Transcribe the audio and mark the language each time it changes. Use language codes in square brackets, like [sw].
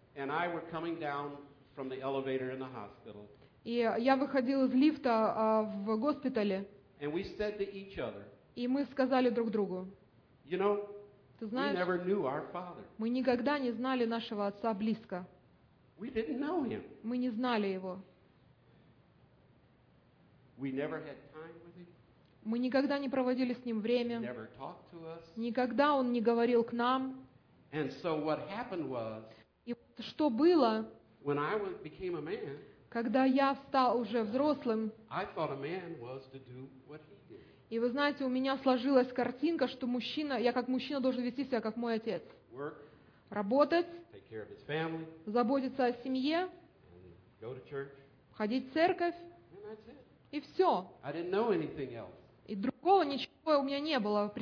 [en] and I were coming down from the elevator in the hospital. [ru] И я выходил из лифта в госпитале. [en] And we said to each other. [ru] И мы сказали друг другу. [en] You know, [ru] ты знаешь, [en] we never knew our father. [ru] Мы никогда не знали нашего отца близко. [en] We didn't know him. [ru] Мы не знали его. [en] We never had time with him. [ru] Мы никогда не проводили с ним время. [en] He never talked to us. [ru] Никогда он не говорил к нам. [en] And so what happened was. [ru] И вот что было, [en] when I became a man, [ru] когда я стал уже взрослым, [en] I thought a man was to do what he did. [ru] И вы знаете, у меня сложилась картинка, что мужчина, я как мужчина должен вести себя как мой отец. [en] Work, [ru] работать, [en] take care of his family, [ru] заботиться о семье, [en] go to church, [ru] ходить в церковь, [en] and that's it. [ru] И все. [en] I didn't know anything else. [ru] И другого ничего у меня не было.